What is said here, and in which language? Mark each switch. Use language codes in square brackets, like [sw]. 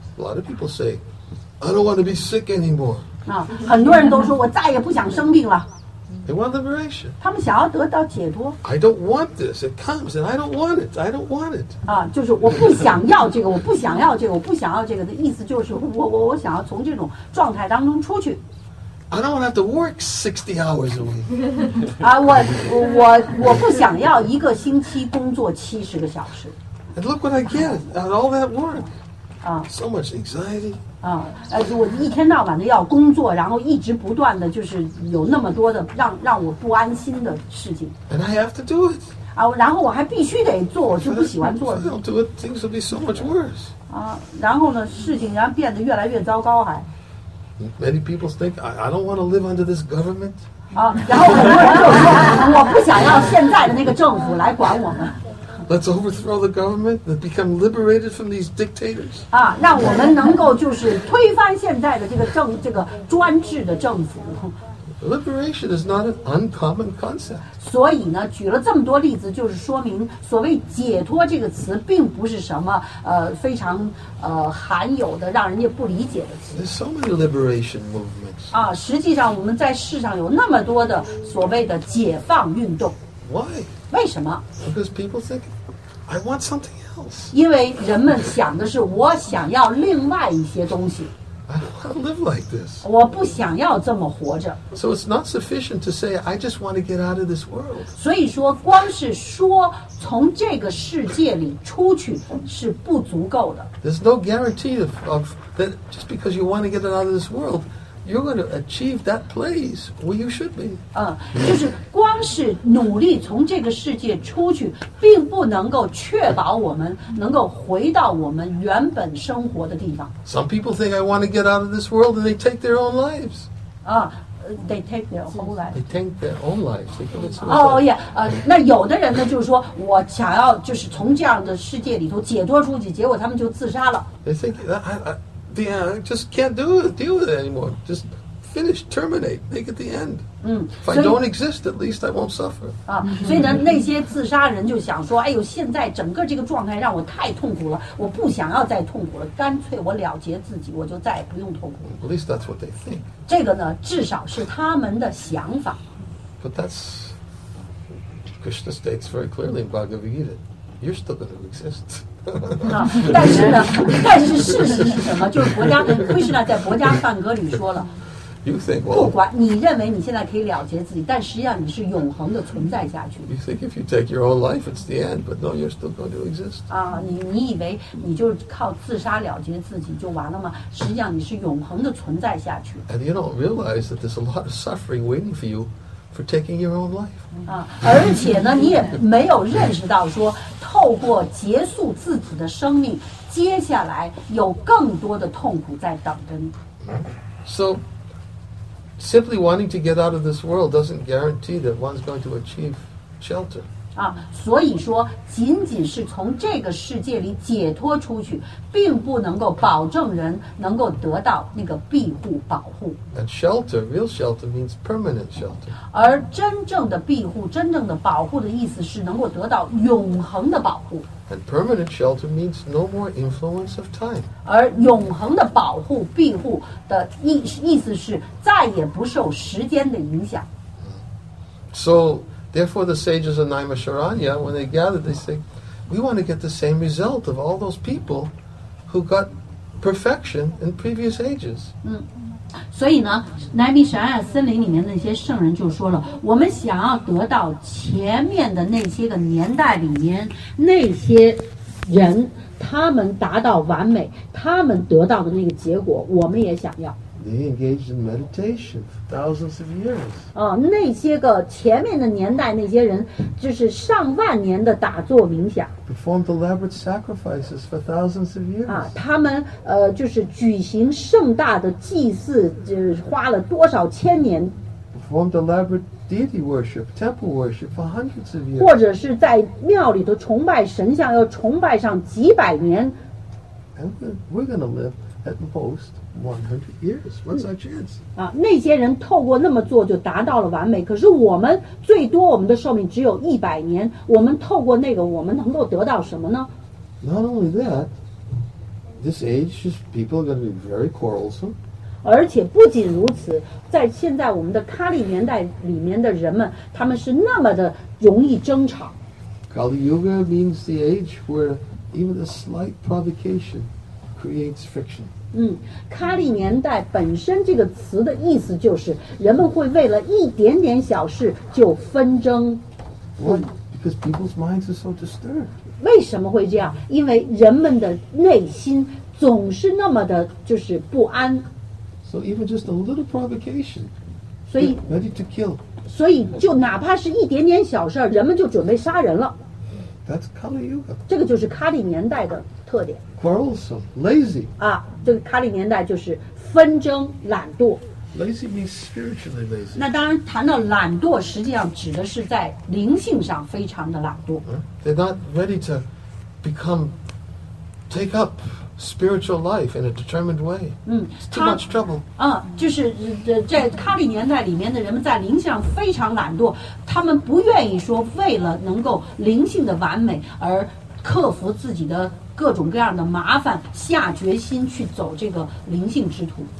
[en] A lot of people say, I don't want to be sick anymore. [zh] 很多人都说我再也不想生病了。 [en] They want liberation. [zh] 他们想要得到解脱。 [en] I don't want this. It comes and I don't want it. I don't want it. [zh] 就是我不想要这个，我不想要这个，我不想要这个的意思就是我想要从这种状态当中出去。 [en] I don't want to have to work 60 hours a week. [zh] 我不想要一个星期工作70个小时。 [en] And look what I get at all that work. So much anxiety. [zh] 我一天到晚的要工作，然后一直不断的就是有那么多的让我不安心的事情。 [en] And I have to do it. [zh] 然后我还必须得做，我就不喜欢做。 [en] If I don't do it, things will be so much worse. [zh] 然后呢，事情然后变得越来越糟糕还。 [en] Many people think I don't want to live under this government. [zh] 然后很多人就说，我不想要现在的那个政府来管我们。 [en] Let's overthrow the government and become liberated from these dictators. [zh] 让我们能够就是推翻现在的这个专制的政府。 [en] Liberation is not an uncommon concept. [zh] 所以呢，举了这么多例子，就是说明所谓解脱这个词，并不是什么非常含有的让人家不理解的词。 [en] There's so many liberation movements. [zh] 实际上我们在世上有那么多的所谓的解放运动。 [en] Why? [zh] 为什么？ [en] Because people think I want something else. [zh] 因为人们想的是我想要另外一些东西。 [en] I don't live like this. [zh] 我不想要这么活着。 [en] So it's not sufficient to say I just want to get out of this world. [zh] 所以说，光是说从这个世界里出去是不足够的。 [en] There's no guarantee of that just because you want to get out of this world, you're going to achieve that place where you should be. [zh] 就是光是努力从这个世界出去，并不能够确保我们能够回到我们原本生活的地方。 [en] Some people think I want to get out of this world and they take their own lives. They take their whole life. They take their own lives. [zh] 那有的人呢，就是说我想要就是从这样的世界里头解脱出去，结果他们就自杀了。 [en] They think I just can't deal with it anymore. Just finish, terminate, make it the end. If I don't exist, at least I won't suffer. [zh] 所以呢，那些自杀人就想说，哎呦，现在整个这个状态让我太痛苦了，我不想要再痛苦了，干脆我了结自己，我就再也不用痛苦了。 [en] At least that's what they think. [zh] 这个呢，至少是他们的想法。 [en] But that's Krishna states very clearly in Bhagavad Gita. You're still going to exist. [zh] 但是事实是什么？就是Krishna在《薄伽梵歌》里说了。 [en] You think, well, [zh] 不管你认为你现在可以了结自己，但实际上你是永恒的存在下去。 [en] You think if you take your own life, it's the end, but no, you're still going to exist. [zh] 你以为你就靠自杀了结自己就完了吗？实际上你是永恒的存在下去。 [en] And you don't realize that there's a lot of suffering waiting for you for taking your own life. [zh] 而且呢，你也没有认识到说，透过结束自己的生命，接下来有更多的痛苦在等着你。 [en] So. Simply wanting to get out of this world doesn't guarantee that one's going to achieve shelter. [zh] 所以说，仅仅是从这个世界里解脱出去，并不能够保证人能够得到那个庇护保护。 [en] And shelter, real shelter means permanent shelter. [zh] 而真正的庇护，真正的保护的意思是能够得到永恒的保护。 [en] And permanent shelter means no more influence of time. [zh] 而永恒的保护庇护的意思是再也不受时间的影响。 [en] So, therefore the sages of Naimasharanya, when they gathered, they say, we want to get the same result of all those people who got perfection in previous ages. [zh] 所以呢，南米舍尔森林里面那些圣人就说了，我们想要得到前面的那些个年代里面那些人，他们达到完美，他们得到的那个结果，我们也想要。 [en] They engaged in meditation for thousands of years. [zh] 那些个前面的年代那些人，就是上万年的打坐冥想。 [en] Performed elaborate sacrifices for thousands of years. [zh] 他们就是举行盛大的祭祀，就是花了多少千年。 [en] Performed elaborate deity worship, temple worship for hundreds of years. [zh] 或者是在庙里头崇拜神像，要崇拜上几百年。 [en] And we're going to live at most 100 years. What's our chance? [zh] 那些人透过那么做就达到了完美，可是我们最多我们的寿命只有一百年，我们透过那个我们能够得到什么呢？ [en] Not only that, this age, just people are going to be very quarrelsome. [zh] 而且不仅如此，在现在我们的卡利年代里面的人们，他们是那么的容易争吵。 [en] Kali Yuga means the age where even a slight provocation creates friction. [zh] 卡利年代本身这个词的意思就是人们会为了一点点小事就纷争。 [en] Why? Because people's minds are so disturbed. [zh] 为什么会这样？因为人们的内心总是那么的就是不安。 [en] So even just a little provocation, [zh] 所以 [en] ready to kill. [zh] 所以就哪怕是一点点小事，人们就准备杀人了。 [en] That's Kali Yuga. [zh] 这个就是卡利年代的特点。 [en] Quarrelsome, lazy. [zh] 这个卡利年代就是纷争、懒惰。 [en] Lazy means spiritually lazy. [zh] 那当然，谈到懒惰，实际上指的是在灵性上非常的懒惰。 [en] They're not ready to become, take up spiritual life in a determined way. It's too much trouble. [zh] 就是在卡利年代里面的人们在灵性上非常懒惰，他们不愿意说为了能够灵性的完美而克服自己的各种各样的麻烦，下决心去走这个灵性之途。